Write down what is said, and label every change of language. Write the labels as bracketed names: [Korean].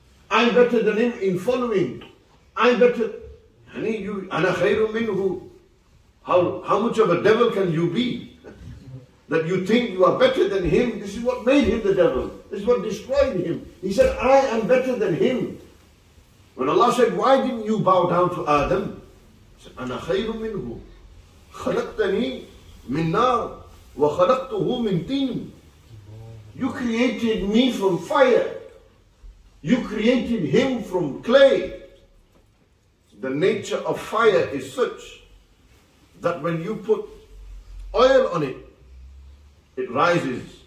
[English] I'm better than him in following. I'm better. Ani, you, [Arabic] ana khayru minhu. [English] How much of a devil can you be? That you think you are better than him. This is what made him the devil. This is what destroyed him. He said, I am better than him. When Allah said, why didn't you bow down to Adam? He said, [Arabic] أَنَا خَيْرٌ مِنْهُ خَلَقْتَنِي مِنْ نَارٍ وَخَلَقْتُهُ مِنْ تِينٍ. [English] You created me from fire. You created him from clay. The nature of fire is such that when you put oil on it, it rises.